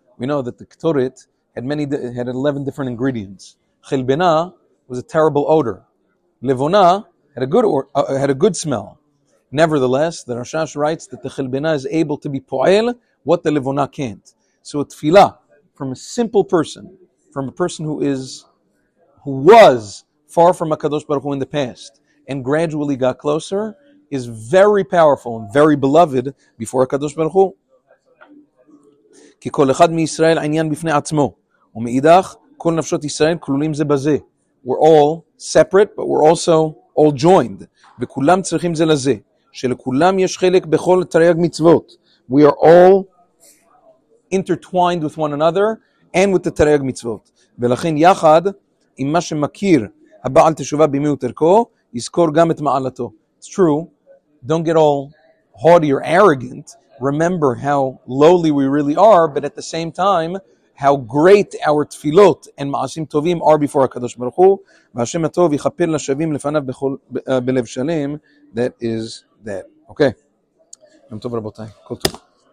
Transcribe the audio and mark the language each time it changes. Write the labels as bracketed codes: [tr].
[en] We know that the ketoret had 11 different ingredients. חלבנה was a terrible odor. לבונה had a good smell. Nevertheless, the Rashash writes that the חלבנה is able to be פועל what the לבונה can't. So a תפילה from a simple person, from a person who was far from HaKadosh Baruch Hu in the past and gradually got closer, is very powerful and very beloved before HaKadosh Baruch Hu. [he] כי כל אחד מישראל עניין בפני עצמו, ומאידך כל נפשות ישראל כלולים זה בזה. [en] We're all separate, but we're also all joined. [he] וכולם צריכים זה לזה, שלכולם יש חלק בכל תרי"ג מצוות. [en] We are all intertwined with one another and with the תרי"ג מצוות. [he] ולכן יחד עם מה שמכיר הבעל תשובה במיעוט ערכו, יזכור גם את מעלתו. [en] It's true, don't get all haughty or arrogant, remember how lowly we really are, but at the same time, how great our tefillot and ma'asim tovim are before HaKadosh Baruch Hu, [he] v'Hashem HaTov yichaper l'shavim lefanav b'lev shalem, [en] that is that. Okay. Yom tov, rabotai. Kol tov.